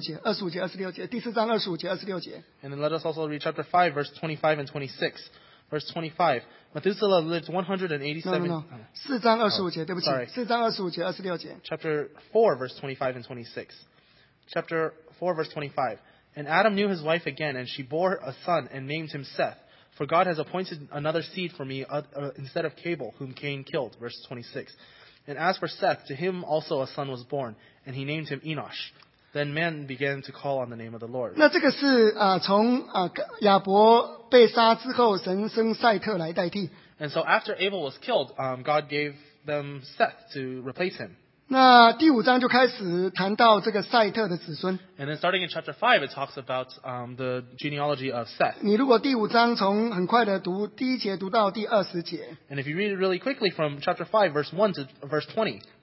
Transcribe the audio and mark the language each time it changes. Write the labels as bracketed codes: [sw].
[zh] 那如果你请你算一算，这里是，请你先读二十六节，二十五节，第四章二十五节，二十六节。 [en] And then let us also read chapter 5, verse 25 and 26. Verse 25, Methuselah lived 187... [zh] No, 4章25节, 对不起, 4章25节, 26节. [en] Chapter 4, verse 25 and 26. Chapter 4, verse 25. And Adam knew his wife again, and she bore a son, and named him Seth. For God has appointed another seed for me instead of Cabel, whom Cain killed. Verse 26. And as for Seth, to him also a son was born, and he named him Enosh. Then men began to call on the name of the Lord. [zh] 那这个是从亚伯被杀之后，神生赛特来代替。 [en] And so after Abel was killed, God gave them Seth to replace him. [zh] 那第五章就开始谈到这个赛特的子孙。 [en] And then starting in chapter 5, it talks about the genealogy of Seth. [zh] 你如果第五章从很快的读第一节读到第二十节。 [en] And if you read it really quickly from chapter 5, verse 1 to verse 20,